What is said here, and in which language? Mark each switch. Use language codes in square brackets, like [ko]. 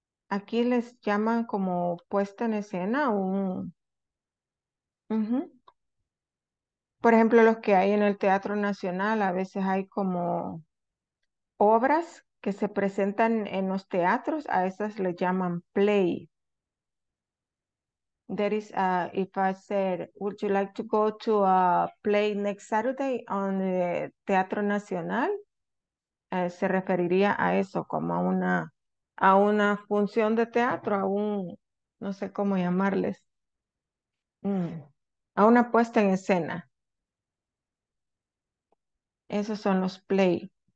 [es] Aquí les llaman como puesta en escena un Por ejemplo, los que hay en el Teatro Nacional, a veces hay como obras que se presentan en los teatros, a esas le llaman play. [en] There is, if I said, would you like to go to a play next Saturday on the Teatro Nacional? [es] Se referiría a eso, como a una función de teatro, a un no sé cómo llamarles, a una puesta en escena. Esos son los play.